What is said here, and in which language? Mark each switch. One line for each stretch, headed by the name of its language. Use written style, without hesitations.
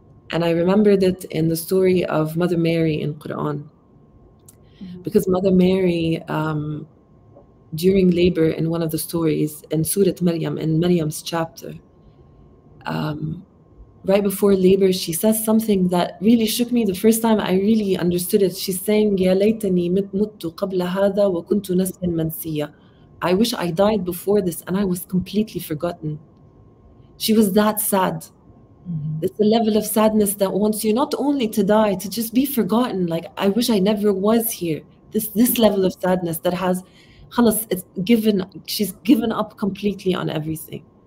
English: And I remembered it in the story of Mother Mary in Quran. Because Mother Mary, during labor in one of the stories, in Surah Maryam, in Maryam's chapter, right before labor, she says something that really shook me the first time I really understood it. She's saying,
Arabic: يَا لَيْتَنِي مُتُّ قَبْلَ هَذَا وَكُنْتُ نَسْلًا مَنْسِيًّا.
English: I wish I died before this and I was completely forgotten. She was that sad. Mm-hmm. It's a level of sadness that wants you not only to die, to just be forgotten. Like, I wish I never was here. This level of sadness that has, خلص, it's given, she's given up completely on everything.